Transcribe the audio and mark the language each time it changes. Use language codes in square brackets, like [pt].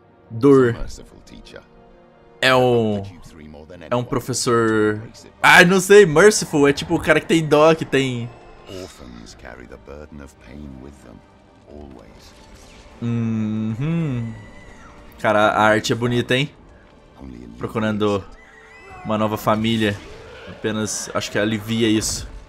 [pt] Dor é um professor... Ah, não sei, merciful, é tipo o cara que tem dó, que tem... [en] Orphans carry the burden of pain with them, always. Mm-hmm. [pt] Cara, a arte é bonita, hein? Procurando uma nova família. Apenas, acho que alivia isso.